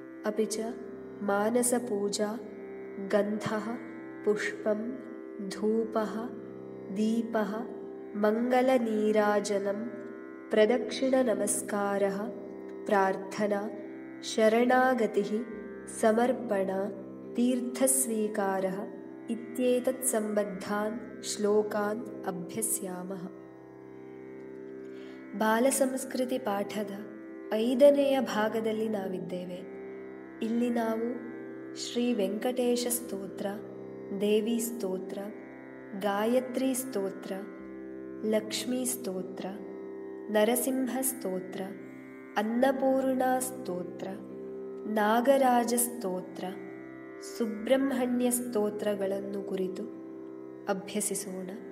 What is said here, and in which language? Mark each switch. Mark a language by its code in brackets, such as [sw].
[sa] अपि च मानस पूजा, गंधः, पुष्पम्, धूपः, दीपः, मंगल नीराजनम्, प्रदक्षिण नमस्कारः, प्रार्थना, शरणागतिः, समर्पण, तीर्थस्वीकारः इत्येतत् संबद्धान् श्लोकान् अभ्यस्यामः। [kn] बाल संस्कृति पाठद ऐदनेय भागदल्लि नाविद्देवे। ಇಲ್ಲಿ ನಾವು ಶ್ರೀ ವೆಂಕಟೇಶ ಸ್ತೋತ್ರ, ದೇವಿ ಸ್ತೋತ್ರ, ಗಾಯತ್ರಿ ಸ್ತೋತ್ರ, ಲಕ್ಷ್ಮೀ ಸ್ತೋತ್ರ, ನರಸಿಂಹ ಸ್ತೋತ್ರ, ಅನ್ನಪೂರ್ಣ ಸ್ತೋತ್ರ, ನಾಗರಾಜ ಸ್ತೋತ್ರ, ಸುಬ್ರಹ್ಮಣ್ಯ ಸ್ತೋತ್ರಗಳನ್ನು ಕುರಿತು ಅಭ್ಯಸಿಸೋಣ.